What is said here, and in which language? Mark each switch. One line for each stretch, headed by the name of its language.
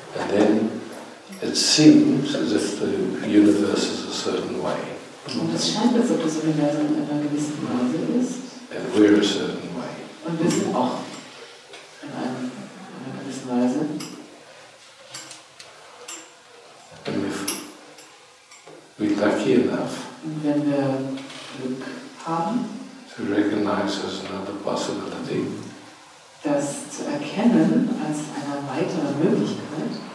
English: Then it seems as if the universe is a certain way.
German: Und es scheint, als ob das Universum in einer gewissen Weise ist.
English: And we're a certain way.
German: Und wir sind auch in einer gewissen Weise.
English: And if we're lucky enough,
German: und wenn wir Glück haben,
English: to recognize as another possibility,
German: das zu erkennen als eine weitere Möglichkeit,